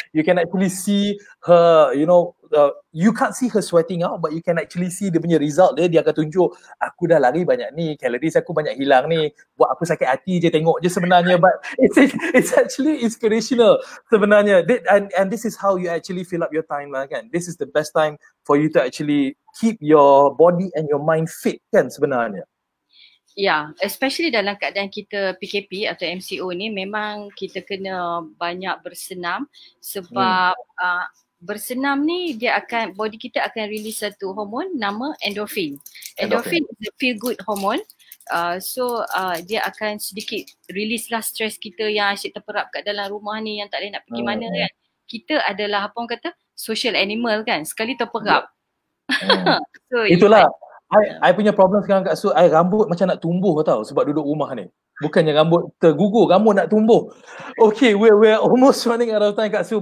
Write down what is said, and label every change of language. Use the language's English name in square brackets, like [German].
[English] You can actually see her, you know, you can't see her sweating out, but you can actually see [Malay] dia punya result dia. Dia akan tunjuk, aku dah lari banyak ni, calories aku banyak hilang ni, buat aku sakit hati je tengok je sebenarnya. [English] But it's actually inspirational [Malay] sebenarnya. [English] And this is how you actually fill up your time lah, kan. This is the best time for you to actually keep your body and your mind fit, [Malay] kan, sebenarnya. Yeah, especially dalam keadaan kita PKP atau MCO ni, memang kita kena banyak bersenam. Sebab bersenam ni, dia akan, body kita akan release satu hormon nama endorphin. [English] Endorphin is a feel good hormone. [Malay] So dia akan sedikit release lah stress kita yang asyik terperap kat dalam rumah ni, yang tak boleh nak pergi mana kan. Kita adalah apa orang kata, social animal kan, sekali terperap. So itulah, I punya problem sekarang kat Su, I rambut macam nak tumbuh tau sebab duduk rumah ni. Bukannya rambut tergugur, rambut nak tumbuh. [English] Okay, we're almost running out of time Kak Su.